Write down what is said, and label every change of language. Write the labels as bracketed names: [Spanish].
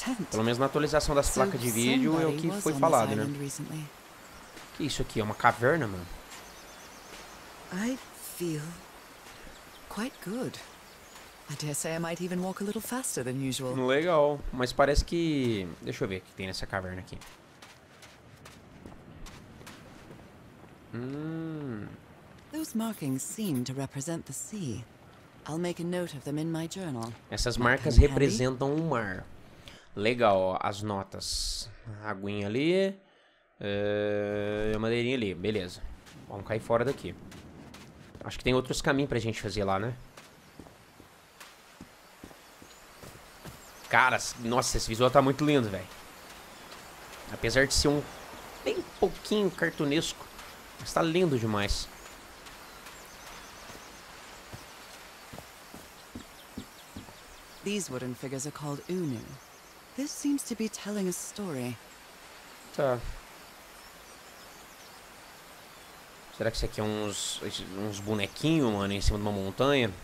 [Portuguese] Pelo menos na atualização das placas de vídeo é o que foi falado, né? Que isso aqui? É uma caverna, mano? [English] Eu feel quite good. I dare say I might even walk a little faster than usual. [Portuguese] Legal, mas parece que... Deixa eu ver o que tem nessa caverna aqui. [English] Those markings seem to represent the sea. I'll make a note of them in my journal. [Portuguese] Essas marcas representam o mar. Legal, as notas. Aguinha ali. E a madeirinha ali, beleza. Vamos cair fora daqui. Acho que tem outros caminhos pra gente fazer lá, né? Cara, nossa, esse visual tá muito lindo, velho. Apesar de ser um bem pouquinho cartunesco, mas tá lindo demais. [English] These wooden figures are called Unu. This seems to be telling a story. [Portuguese] Tá. Será que isso aqui é uns bonequinhos, mano, em cima de uma montanha?